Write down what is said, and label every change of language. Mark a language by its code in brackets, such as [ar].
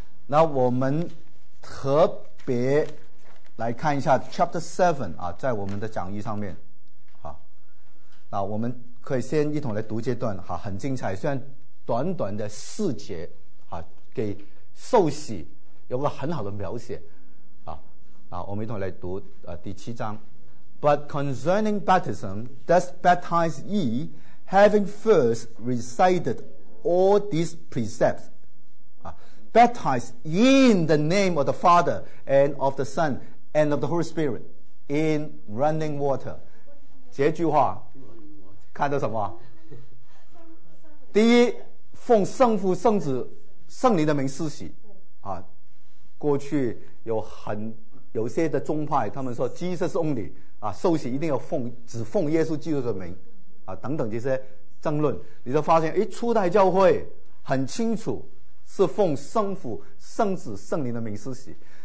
[zh] 那我们特别来看一下 [en] Chapter 7 [zh] 啊，在我们的讲义上面啊。那我们可以先一同来读这段啊，很精彩，虽然短短的四节啊，给受洗有个很好的描写啊，我们一同来读第七章。 [en] But concerning baptism, does baptize ye, having first recited all these precepts, baptize in the name of the Father and of the Son and of the Holy Spirit in running water. [zh] 这句话看到什么？第一，奉圣父圣子圣灵的名施洗啊。过去有些的宗派他们说 [en] Jesus only [zh] 啊，受洗一定要奉只奉耶稣基督的名啊，等等这些争论，你就发现诶，初代教会很清楚是奉圣父圣子圣灵的名施洗。